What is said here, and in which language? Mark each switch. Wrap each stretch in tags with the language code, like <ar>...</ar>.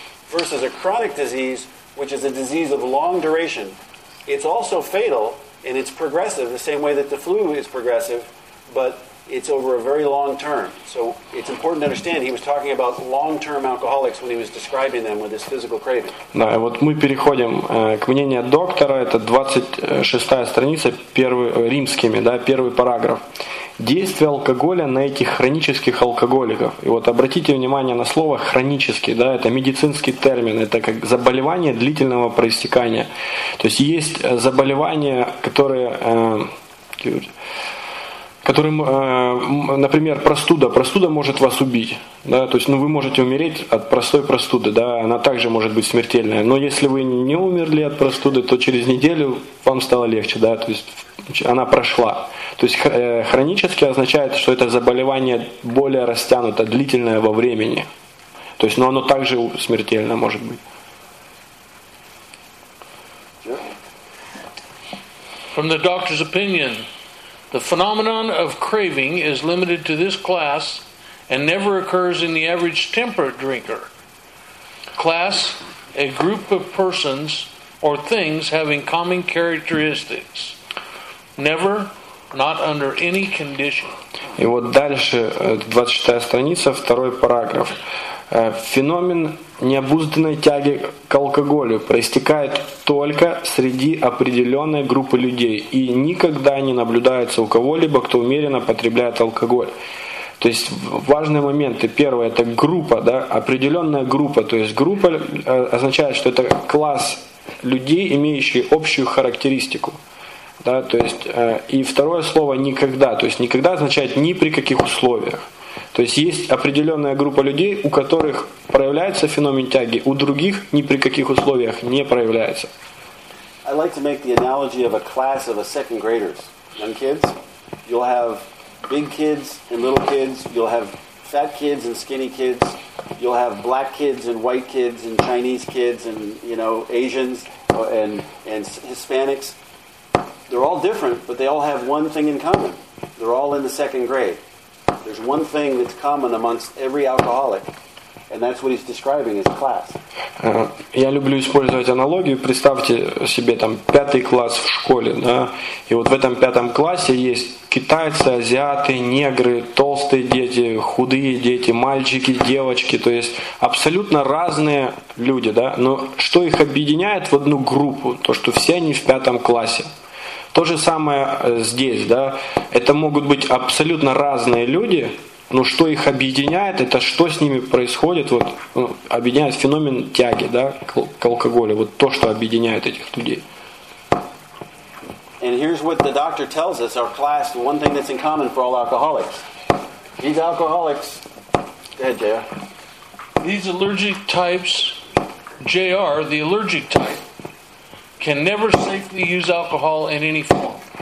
<en>Versus a chronic disease, which is a disease of long duration. It's also fatal, and it's progressive, the same way that the flu is progressive, but it's over a very long term. So it's important to understand he was talking about long-term alcoholics when he was describing them with this physical craving.</en> <ru>Да, и вот мы переходим к мнению доктора. Это 26-я страница, первый параграф. Действие алкоголя на этих хронических алкоголиков. И вот обратите внимание на слово «хронический», да, это медицинский термин, это как заболевание длительного проистекания. То есть есть заболевания, которые, например, простуда. Простуда может вас убить, да, то есть вы можете умереть от простой простуды, да, она также может быть смертельная. Но если вы не умерли от простуды, то через неделю вам стало легче, да, то есть она прошла. То есть хронически означает, что это заболевание более растянуто, длительное во времени. То есть, но оно также смертельно может быть.</ru> <en>From the doctor's opinion, the phenomenon of craving is limited to this class and never occurs in the average temperate drinker. Class, a group of persons or things having common characteristics. Never, not under any condition.</en> <ru>И вот дальше, 26-я страница, второй параграф. Феномен необузданной тяги к алкоголю проистекает только среди определенной группы людей и никогда не наблюдается у кого-либо, кто умеренно потребляет алкоголь. То есть важные моменты. Первое, это группа, да, определенная группа. То есть группа означает, что это класс людей, имеющий общую характеристику. Да, то есть, и второе слово «никогда». То есть «никогда» означает «ни при каких условиях». То есть есть определенная группа людей, у которых проявляется феномен тяги, у других ни при каких условиях не проявляется.</ru> <en>I like to make the analogy of a class of a second graders, young kids. You'll have big kids and little kids. You'll have fat kids and skinny kids. You'll have black kids and white kids and Chinese kids and, you know, Asians and Hispanics. They're all different, but they all have one thing in common. They're all in the second grade. There's one thing that's common amongst every alcoholic, and that's what he's describing as class.</en> <ru>Я люблю использовать аналогию. Представьте себе там пятый класс в школе, да? И вот в этом пятом классе есть китайцы, азиаты, негры, толстые дети, худые дети, мальчики, девочки. То есть абсолютно разные люди, да? Но что их объединяет в одну группу? То, что все они в пятом классе. То же самое здесь, да, это могут быть абсолютно разные люди, но что их объединяет, это что с ними происходит, вот, объединяет феномен тяги, да, к алкоголю, вот то, что объединяет этих людей.</ru> <en>And here's what the doctor tells us, our class, the one thing that's in common for all alcoholics. These alcoholics, go ahead, J.R. These allergic types, J.R., the allergic type, can never safely use alcohol in any form.</en>